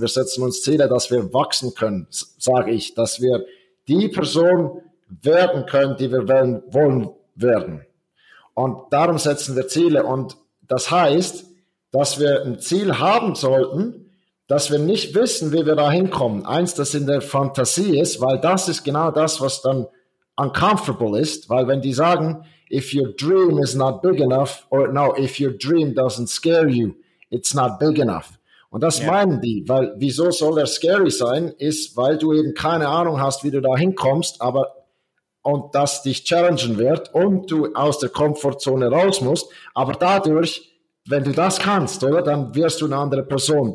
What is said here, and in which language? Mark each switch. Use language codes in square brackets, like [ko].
[de] Wir setzen uns Ziele, dass wir wachsen können, sage ich, dass wir die Person werden können, die wir wollen werden. Und darum setzen wir Ziele. Und das heißt, dass wir ein Ziel haben sollten, dass wir nicht wissen, wie wir da hinkommen. Eins, das in der Fantasie ist, weil das ist genau das, was dann uncomfortable ist. Weil wenn die sagen, [en] if your dream is not big enough, or no, if your dream doesn't scare you, it's not big enough. [de] Und das meinen die, weil wieso soll er scary sein, ist, weil du eben keine Ahnung hast, wie du da hinkommst, aber und das dich challengen wird und du aus der Komfortzone raus musst, aber dadurch, wenn du das kannst, oder, dann wirst du eine andere Person.